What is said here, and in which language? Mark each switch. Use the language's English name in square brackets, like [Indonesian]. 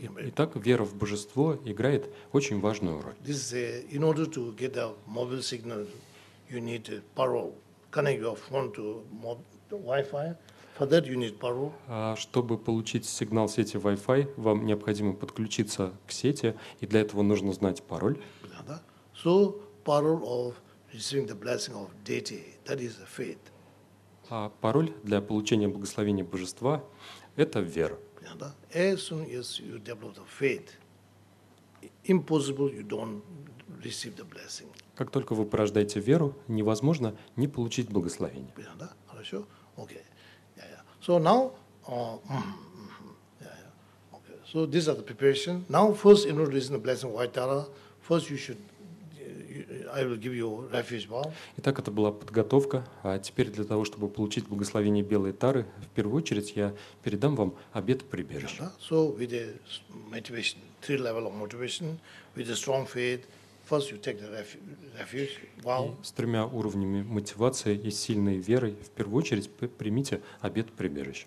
[Russian] Итак, вера в божество играет очень важную роль. [English] This is in order to get a mobile signal, you need a parole. Connect your phone to Wi-Fi. For that you need parole. [Russian] Чтобы получить сигнал сети Wi-Fi, вам необходимо подключиться к сети, и для этого нужно знать пароль. [English] So parole of receiving the blessing of deity, that is a faith. [Russian] А пароль для получения благословения божества – это вера. [English] As soon as you develop the faith, impossible you don't receive the blessing. [Russian] Как только вы порождаете веру, невозможно не получить благословение. Да, хорошо, окей. [English] So now, okay. So these are the preparation. Now, first in order to receive the blessing of Vaitara, first you should. I will give you refuge vow. [Russian] Итак, это была подготовка. А теперь для того, чтобы получить благословение Белой Тары, в первую очередь я передам вам обет прибежища. [English] Yeah, so with the motivation, three level of motivation, with a strong faith, first you take the refuge vow. [Russian] С тремя уровнями мотивации и сильной верой, в первую очередь примите обет прибежища.